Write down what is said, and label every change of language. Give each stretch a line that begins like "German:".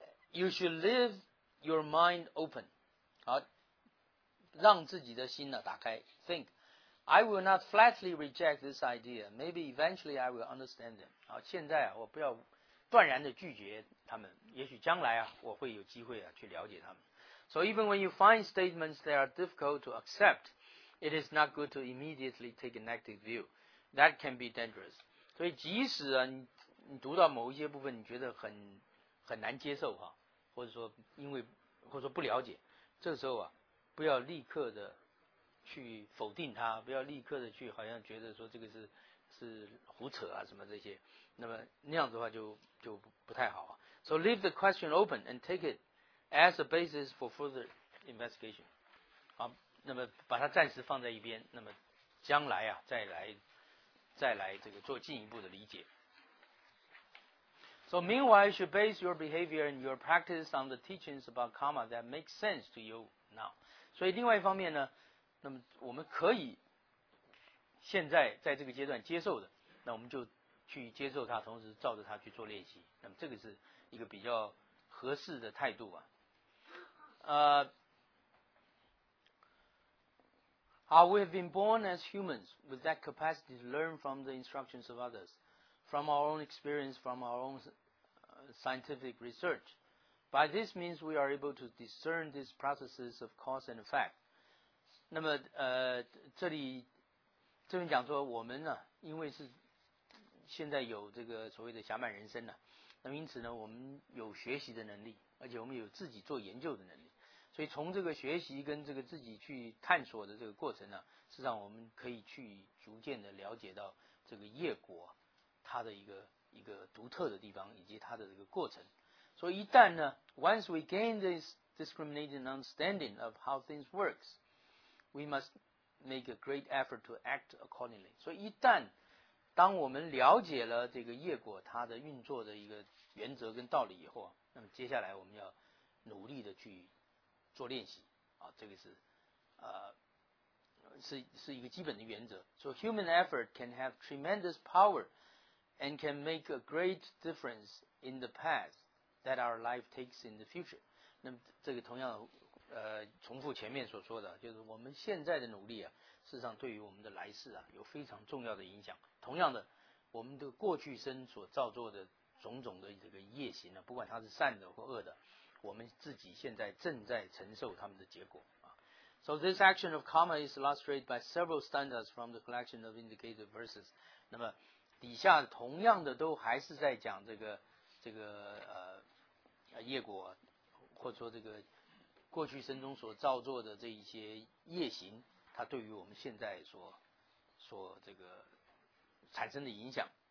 English: You should leave your mind open，
Chinese: 好，让自己的心呢打开。
English: Think， I will not flatly reject this idea. Maybe eventually I will understand them。
Chinese: 好，现在啊，我不要断然的拒绝他们，也许将来啊，我会有机会啊去了解他们。
English: So even when you find statements that are difficult to accept。 It is not good to immediately take a negative view. That can be dangerous.
Chinese: 所以即使啊，你读到某一些部分你觉得很难接受哈，或者说不了解，这个时候啊，不要立刻的去否定它，不要立刻的去好像觉得说这个是胡扯啊什么这些，那么那样子的话就不太好啊。
English: So leave the question open and take it as a basis for further investigation.
Chinese: 好，那么把它暂时放在一边，那么将来啊再来这个做进一步的理解。
English: So meanwhile you should base your behavior and your practice on the teachings about karma that makes sense to you now.
Chinese: 所以另外一方面呢，那么我们可以现在在这个阶段接受的，那我们就去接受它，同时照着它去做练习，那么这个是一个比较合适的态度啊。
English: We have been born as humans with that capacity to learn from the instructions of others, from our own experience, from our own scientific research. By this means, we are able to discern these processes of cause and effect.
Chinese: 那么这边讲说我们呢、啊、因为是现在有这个所谓的暇满人生呢、啊、那么因此呢我们有学习的能力，而且我们有自己做研究的能力。所以从这个学习跟这个自己去探索的这个过程呢、啊、事实上我们可以去逐渐的了解到这个业果它的一个独特的地方以及它的这个过程。所以一旦呢
English: once we gain this discriminating understanding of how things works, we must make a great effort to act accordingly.
Chinese: 所以一旦当我们了解了这个业果它的运作的一个原则跟道理以后，那么接下来我们要努力的去做练习啊，这个是是一个基本的原则。
English: So human effort can have tremendous power and can make a great difference in the path that our life takes in the future.
Chinese: 那么这个同样重复前面所说的，就是我们现在的努力啊，事实上对于我们的来世啊有非常重要的影响。同样的，我们的过去生所造作的种种的这个业行呢，不管它是善的或恶的，我们自己现在正在承受他们的结果。
English: So this action of karma is illustrated by several standards from the collection of indicated verses.
Chinese: 那么底下同样的都还是在讲这个业果，或者说这个过去生中所造作的这一些业行，它对于我们现在所这个产生的影响。